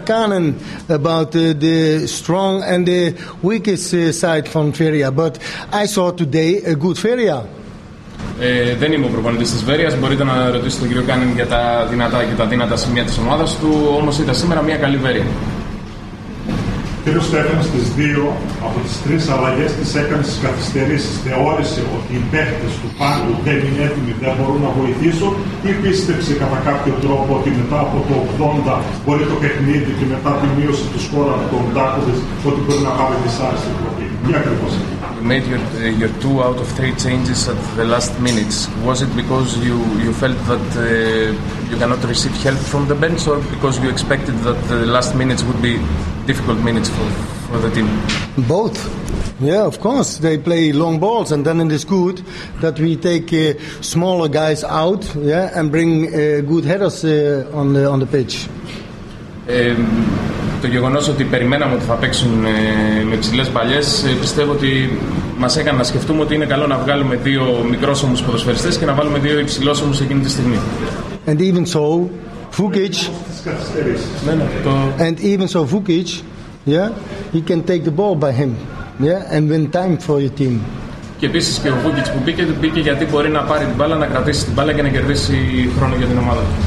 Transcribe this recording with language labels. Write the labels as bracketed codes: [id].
[en] Kanen about the strong and the weakest side from Feria. But I saw today a good Feria. [el] Δεν είμαι ο προπονητής της Βέρειας. Μπορείτε να ρωτήσετε τον κύριο Κάνεν για τα δυνατά και τα δύνατα σημεία της ομάδας του. Όμως ήταν σήμερα μια καλή Βέρεια. Κύριο Στέφανος, στις δύο από τις τρεις αλλαγές τις έκανε στις καθυστερήσεις. Θεώρησε ότι οι παίχτες του πάγκου δεν είναι έτοιμοι, δεν μπορούν να βοηθήσουν, ή πίστεψε κατά κάποιο τρόπο ότι μετά από το 80 μπορεί το παιχνίδι και μετά τη μείωση του σκόρου από τον Ντάκοβιτς ότι μπορεί να πάρει δυσάρεστη πρωτή? Τι ακριβώς? [en] You made your 2 out of 3 changes at the last minutes. Was it because you felt that you cannot receive help from the bench, or because you expected that the last minutes would be difficult minutes for the team? Both. Yeah, of course. They play long balls, and then it is good that we take smaller guys out, yeah, and bring good headers on the pitch. [el] Το γεγονός ότι περιμέναμε ότι θα παίξουν με ψηλές παλιές, πιστεύω ότι μας έκανε να σκεφτούμε ότι είναι καλό να βγάλουμε 2 μικρόσωμους ποδοσφαιριστές και να βάλουμε 2 υψηλόσωμους εκείνη τη στιγμή. [en] And even so, Vukic. And even so, Vukic, yeah, he can take the ball by him, yeah, and win time for your team. [el] Και επίσης και ο Vukic που μπήκε γιατί μπορεί να πάρει την μπάλα, να κρατήσει την μπάλα και να κερδίσει χρόνο για την ομάδα.